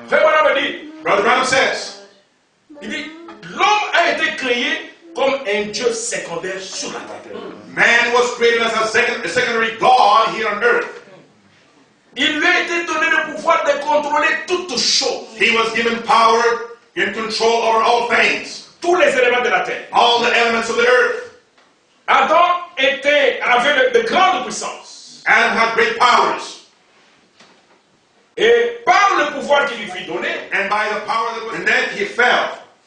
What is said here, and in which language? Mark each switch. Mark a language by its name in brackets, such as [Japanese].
[English] Mm-hmm. Brother Branham says, [French] il dit, l'homme a été créé comme un Dieu secondaire sur la terre. [English] Man was created as a secondary God here on earth. [French] Il lui a été donné le pouvoir de contrôler toutes choses. [English] He was given power and control over all things. [French] Tous les éléments de la terre. [English] All the elements of the earth. [French] Adam avait de grandes puissances. [English] Adam had great powers. [French] Et par le pouvoir qu'il lui fut donné, [English] and by the power that was, and then he fell.